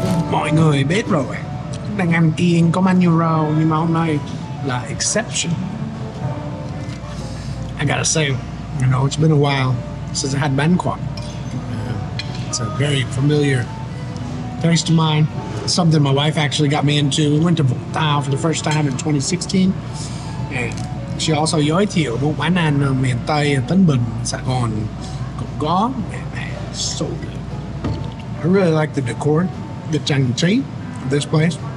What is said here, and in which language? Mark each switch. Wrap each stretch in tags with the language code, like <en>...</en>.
<vi>Mọi người biết rồi, đàn em kiêng có bao nhiêu rau, nhưng mà hôm nay là exception.</vi> <en>I gotta say, you know, it's been a while since I had bánh khoảng. It's a very familiar taste of mine. Something my wife actually got me into. We went to Vũng Tàu for the first time in 2016. And she also</en> <vi>giới thiệu một quán ăn ở miền Tây, ở Tân Bình, Saigon, cũng có.</vi> <en>Man, so good. I really like the decor, the trang trí of this place.</en>